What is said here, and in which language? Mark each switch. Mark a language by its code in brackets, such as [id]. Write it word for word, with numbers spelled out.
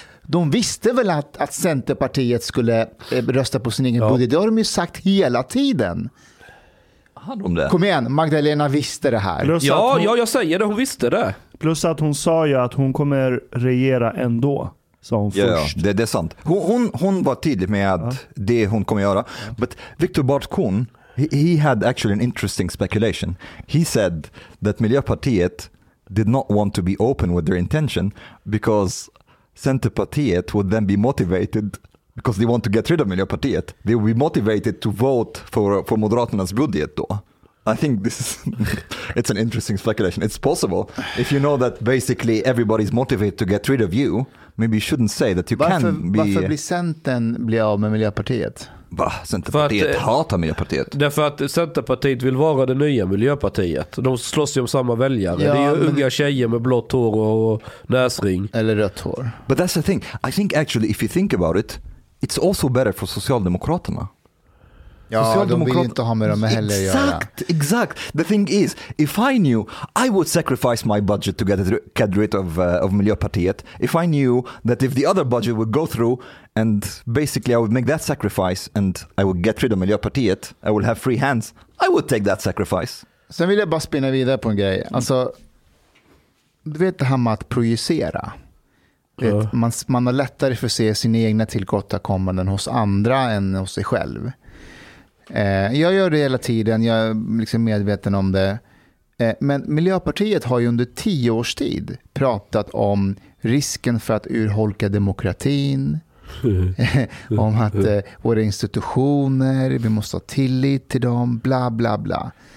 [sv] De visste väl att, att Centerpartiet skulle rösta på sin egen ja. budget. Det har de ju sagt hela tiden. Hade det? Kom igen, Magdalena visste det här. Ja, hon, ja, jag säger det, hon visste det. Plus att hon sa ju att hon kommer regera ändå. Som ja, först. Ja det, det är sant. Hon, hon, hon var tydlig med att ja. det hon kommer göra. [en] But Viktor Bartkun, he, he had actually an interesting speculation. He said that Miljöpartiet did not want to be open with their intention because... Centerpartiet would then be motivated because they want to get rid of Miljöpartiet. They will be motivated to vote for for Moderaternas budget då. I think this is it's an interesting speculation. It's possible if you know that basically everybody's motivated to get rid of you. Maybe you shouldn't say that you [sv] varför, [en] can be. [sv] Varför blir Centern bli av med Miljöpartiet? Va? Centerpartiet att, hatar Miljöpartiet. Därför att Centerpartiet vill vara det nya Miljöpartiet. De slåss ju om samma väljare. Ja, det är ju men... unga tjejer med blått hår och näsring. Eller rött hår. [en] But that's the thing. I think actually if you think about it, it's also better for Socialdemokraterna. [sv] Ja, Socialdemokrat- de vill inte ha med dem heller exakt, göra. Exakt, exakt. [en] The thing is, if I knew I would sacrifice my budget to get rid of, uh, of Miljöpartiet, if I knew that if the other budget would go through and basically I would make that sacrifice and I would get rid of Miljöpartiet, I would have free hands, I would take that sacrifice. [sv] Sen vill jag bara spinna vidare på en grej. Alltså, du vet det här med att projicera. Vet, uh. man, man har lättare för att se sina egna tillkortakommanden hos andra än hos sig själv. Jag gör det hela tiden, jag är liksom medveten om det. Men Miljöpartiet har ju under tio års tid pratat om risken för att urholka demokratin, om att våra institutioner, vi måste ha tillit till dem, bla bla bla.